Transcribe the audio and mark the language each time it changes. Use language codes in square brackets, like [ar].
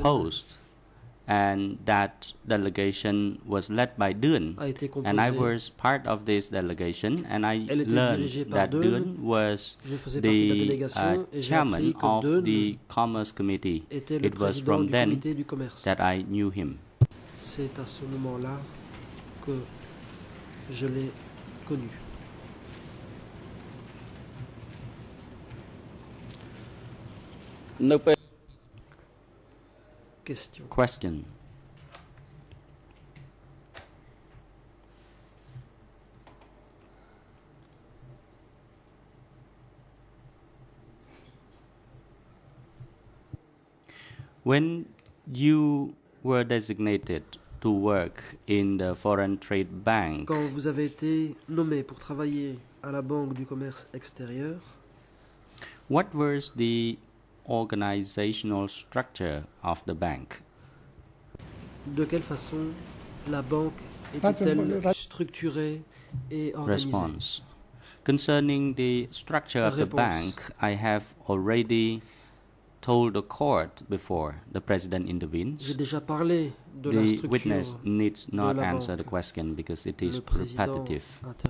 [en] proposed and that delegation was led by Dun [fr] a été composée. [en] And I was part of this delegation and I learned that Dun was the chairman of the Commerce Committee. It was from then that I knew him. [fr] C'est à ce moment-là que je l'ai connu. [en] No. Question. When you were designated to work in the Foreign Trade Bank, [fr] quand vous avez été nommé pour travailler à la Banque du Commerce Extérieur, [en] what was the organizational structure of the bank? [fr] De quelle façon la banque était-elle structurée et organisée? [en] Response. Concerning the structure [fr] réponse. [en] Of the bank, I have already told the court before the president intervenes. [fr] J'ai déjà parlé de [en] the [fr] la structure de la banque. [en] The witness needs not answer the question because it is repetitive.